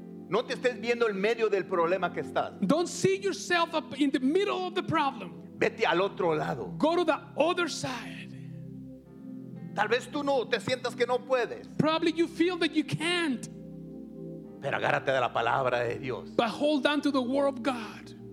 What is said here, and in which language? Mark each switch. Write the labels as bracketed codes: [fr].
[es] No te estés viendo en medio del problema que estás. [en] Don't see yourself up in the middle of the problem. [es] Vete al otro lado. [en] Go to the other side. [es] Tal vez tú no te sientas que no puedes. [en] Probably you feel that you can't. [es] Pero agárrate de la palabra de Dios. [en] But hold on to the word of God.